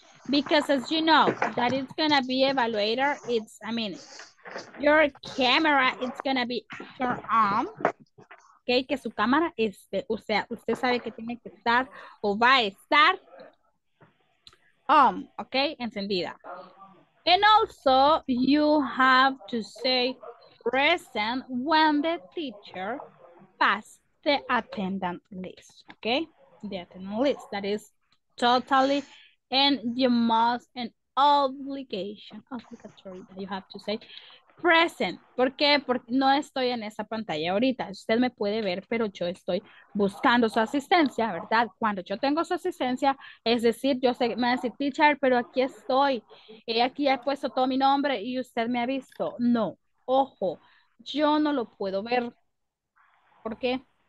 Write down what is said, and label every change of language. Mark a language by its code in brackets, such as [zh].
[en] Because as you know, that it's gonna be evaluator, your camera is gonna be turned on. [es] Okay, que su cámara esté, o sea, usted sabe que tiene que estar o va a estar on, okay, encendida. [en] And also, you have to say present when the teacher passes the attendance list, okay? The attendance list, that is totally and you must an obligatory that you have to say present. [es] ¿Por qué? Porque no estoy en esa pantalla ahorita. Usted me puede ver, pero yo estoy buscando su asistencia, ¿verdad? Cuando yo tengo su asistencia, es decir, yo sé, me va a decir, teacher, pero aquí estoy. Aquí he puesto todo mi nombre y usted me ha visto. No. Ojo, yo no lo puedo ver. ¿Por qué?